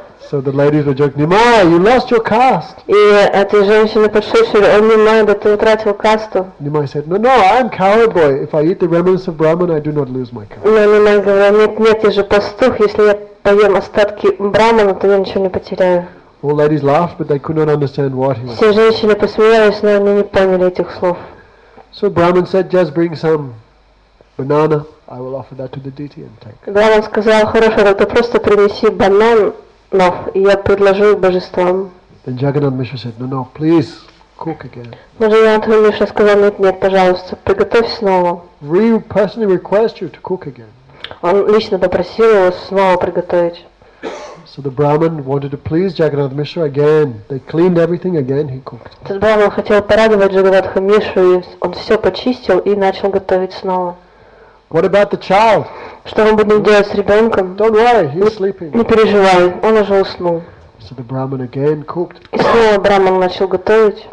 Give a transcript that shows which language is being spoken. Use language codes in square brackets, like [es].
[en] So the ladies were joking, Nimai, you lost your caste. [ru] И эти женщины подшучивали, о, Nimai, да ты утратил касту. [en] Nimai said, no, I'm cowboy. If I eat the remnants of Brahman, I do not lose my caste. [ru] Nimai говорил, нет, я же пастух, если я поем остатки Брахмана, то я ничего не потеряю. [en] All ladies laughed, but they could not understand what he was. [ru] Все женщины посмеялись, но они не поняли этих слов. [en] So Brahman said, just bring some banana, I will offer that to the deity and take. [ru] Брахман сказал, хорошо, да ты просто принеси банан, но я предложу их божествам. [en] Then Jagannath Mishra said, no, please cook again. [ru] Но Jagannath Mishra сказал, нет, пожалуйста, приготовь снова. [en] We personally request you to cook again. [ru] Он лично попросил его снова приготовить. [en] So the Brahmin wanted to please Jagannath Mishra again. They cleaned everything again, he cooked. [ru] Тот Брахман хотел порадовать Джагнатха Мишру, и он все почистил и начал готовить снова. [en] What about the child? [ru] Что мы будем делать с ребенком? [en] Don't worry, he's sleeping. [ru] Не переживай, он уже уснул. [en] So the Brahmin again cooked. [ru] И снова Брахман начал готовить.